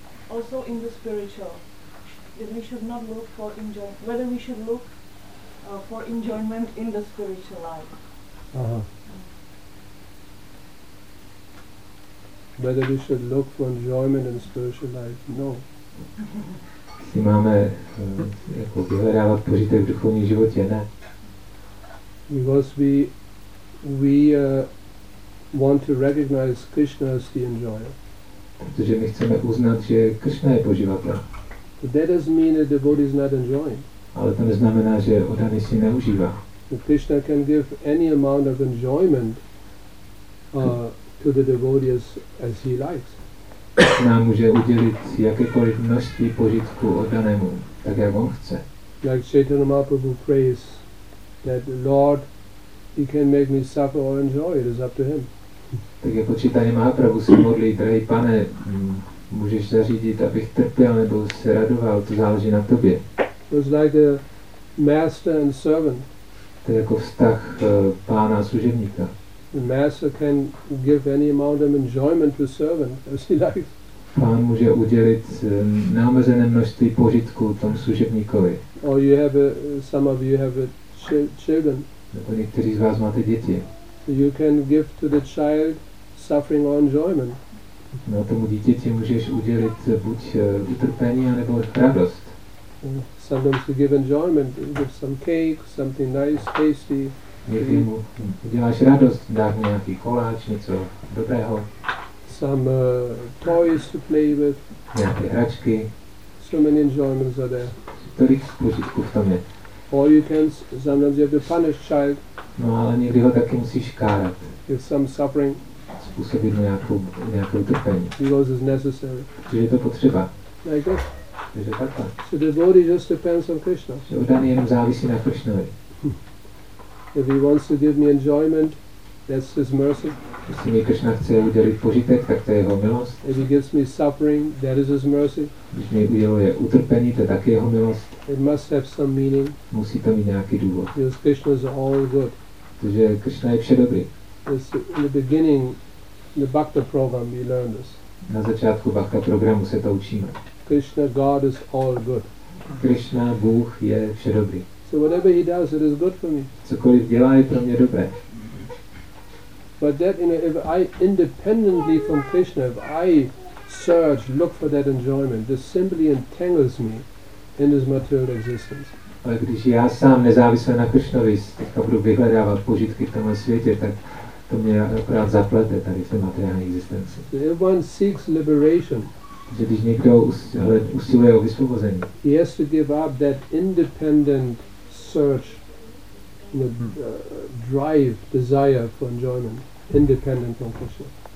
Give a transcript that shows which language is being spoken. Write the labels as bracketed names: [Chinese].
[English] Also in the spiritual, that we should not look for enjoyment, whether we should look for enjoyment in the spiritual life. Uh-huh. Whether we should look for enjoyment in spiritual life? No. [Czech] Si máme jako vyhledávat požitek v duchovní životě, ne? [English] Because we want to recognize Krishna as the enjoyer. [Czech] Protože my chceme uznat, že Krishna je poživatel. [English] But that doesn't mean a devotee is not enjoying. [Czech] Ale to neznamená, že oddaný si neužívá. [English] But Krishna can give any amount of enjoyment to the devotee as he likes. [Czech] Krishna může udělit jakékoliv množství požitku oddanému, tak jak on chce. [English] Like Chaitanya Mahaprabhu prays that Lord, he can make me suffer or enjoy, it is up to him. [Czech] Tak jako Chaitanya Mahaprabhu se modlí, drahý pane, můžeš zařídit, abych trpěl nebo se radoval, to záleží na tobě. [English] It's like master and servant. [Czech] To je jako vztah pána služebníka. [English] The master can give any amount of enjoyment to servant as he likes. [Czech] Pán může udělit neomezené množství požitku tomu služebníkovi. [English] Or you have some of you have children. [Czech] Nebo někteří z vás máte děti. [English] You can give to the child suffering or enjoyment. [Czech] No, tomu dítěti můžeš udělit buď utrpení nebo radost. [English] Sometimes you give enjoyment, give some cake, something nice, tasty. [Czech] Někdy mu uděláš radost, dáš nějaký koláč, něco dobrého. [English] Some toys to play with. [Czech] Nějaké hračky. [English] So many enjoyments are there. [Czech] Tolik požitků v tom je. [English] Or you can sometimes you have to punish child. [Czech] No, ale někdy ho taky musíš kárat. [English] With some suffering. [Czech] Způsobit mu nějakou utrpení. [English] Because it's necessary. [Czech] Protože je to potřeba. [English] Like this. [Czech] Takže takhle. [English] So the body just depends on Krishna. [Czech] Že oddaný jenom závisí na Krishnovi. [English] If he wants to give me enjoyment, that's his mercy. [Czech] Jestli mi Krishna chce udělit požitek, tak to je jeho milost. [English] If he gives me suffering, that is his mercy. [Czech] Když mi uděluje utrpení, to je také jeho milost. [English] It must have some meaning. [Czech] Musí to mít nějaký důvod. [English] Because Krishna is all good. [Czech] Takže Krishna je vše dobrý. [English] This, in the beginning, the Bhakta program, we learn this. [Czech] Na začátku Bhakta programu se to učíme. [English] Krishna, God is all good. [Czech] Krishna, Bůh je vše dobrý. [English] So whatever he does, it is good for me. [Czech] Cokoliv dělá, je pro mě dobré. [English] But that, you know, if I independently from Krishna, if I search, look for that enjoyment, this simply entangles me in this material existence. [Czech] Ale když já sám nezávisle na Krishnovi teďka budu vyhledávat požitky v tomhle světě, tak to mě akorát zaplete tady v té materiální existenci. [English] So if one seeks liberation, [Czech] že když někdo usiluje o vysvobození, [English] he has to give up that independent search, the drive, desire for enjoyment, independent from Krishna.